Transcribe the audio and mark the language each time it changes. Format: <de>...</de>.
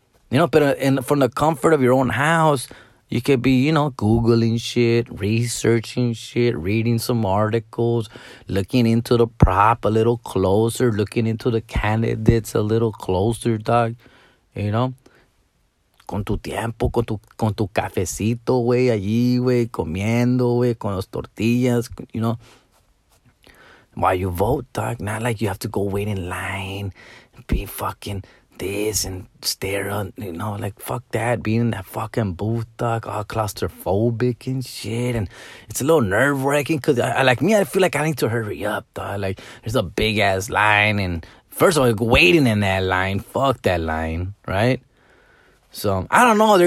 <en>You know, but from the comfort of your own house, you could be, you know, Googling shit, researching shit, reading some articles, looking into the prop a little closer, looking into the candidates a little closer, dog. You know?</en> <es>Con tu tiempo, con tu cafecito, güey, allí, güey, comiendo, güey, con las tortillas, you know.</es> <en>While you vote, dog, not like you have to go wait in line, be fucking this and stare on, you know, like, fuck that, being in that fucking booth, dog, all claustrophobic and shit, and it's a little nerve-wracking, because, I feel like I need to hurry up, dog, like, there's a big-ass line, and first of all, like, waiting in that line, fuck that line, right? So, I don't know.</en>